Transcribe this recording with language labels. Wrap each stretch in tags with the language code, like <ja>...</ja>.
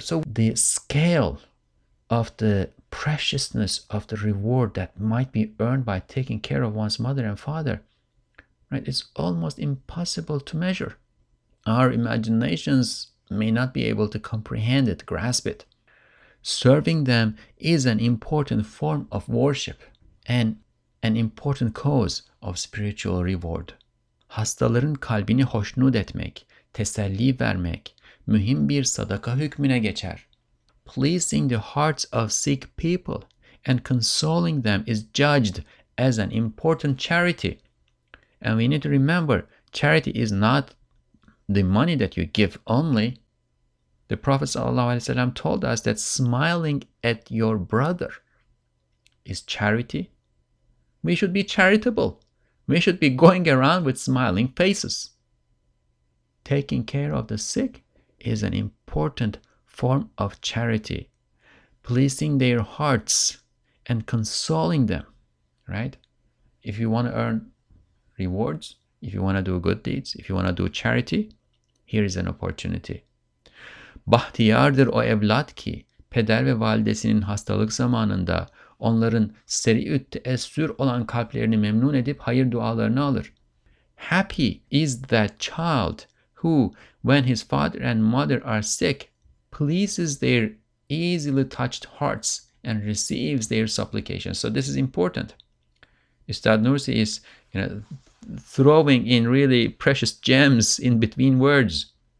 <en>So the scale of the preciousness of the reward that might be earned by taking care of one's mother and father, right, is almost impossible to measure. Our imaginations may not be able to comprehend it, grasp it. Serving them is an important form of worship and an important cause of spiritual reward.</en> <tr>Hastaların kalbini hoşnut etmek, teselli vermek, mühim bir sadaka hükmüne geçer.</tr> <en>Pleasing the hearts of sick people and consoling them is judged as an important charity. And we need to remember, charity is not the money that you give only. The Prophet ﷺ told us that smiling at your brother is charity. We should be charitable. We should be going around with smiling faces. Taking care of the sick is an important form of charity. Pleasing their hearts and consoling them, right? If you want to earn rewards, if you want to do good deeds, if you want to do charity, here is an opportunity.</en> <tr>Bahtiyardır o evlat ki, peder ve validesinin hastalık zamanında onların seriüt esür olan kalplerini memnun edip hayır dualarını alır.</tr> <en>Happy is that child who, when his father and mother are sick, pleases their easily touched hearts and receives their supplications. So this is important. Üstad Nursi is, you know, throwing in really precious gems in between words.</en>